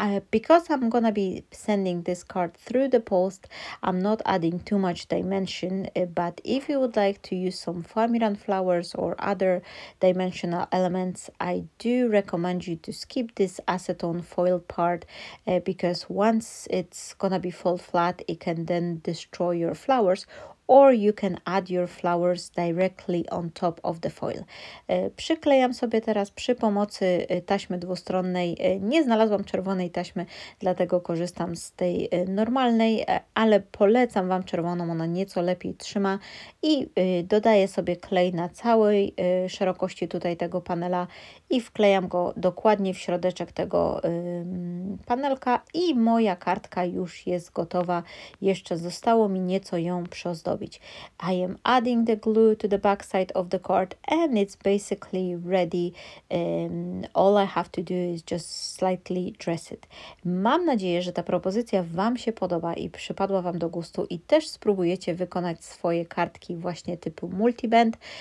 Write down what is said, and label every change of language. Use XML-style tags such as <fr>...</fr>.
<en>Because I'm gonna be sending this card through the post, I'm not adding too much dimension, but if you would like to use some flamiran flowers or other dimensional elements, I do recommend you to skip this acetone foil part, because once it's gonna be fold flat, it can then destroy your flowers, Or you can add your flowers directly on top of the foil.</en> <pl>Przyklejam sobie teraz przy pomocy taśmy dwustronnej. Nie znalazłam czerwonej taśmy, dlatego korzystam z tej normalnej, ale polecam Wam czerwoną, ona nieco lepiej trzyma. I dodaję sobie klej na całej szerokości tutaj tego panela i wklejam go dokładnie w środeczek tego panelka i moja kartka już jest gotowa. Jeszcze zostało mi nieco ją przyozdobić.</pl> <en>I am adding the glue to the backside of the card and it's basically ready. All I have to do is just slightly dress it.</en> <pl>Mam nadzieję, że ta propozycja Wam się podoba i przypadła Wam do gustu i też spróbujecie wykonać swoje kartki właśnie typu multiband.</pl>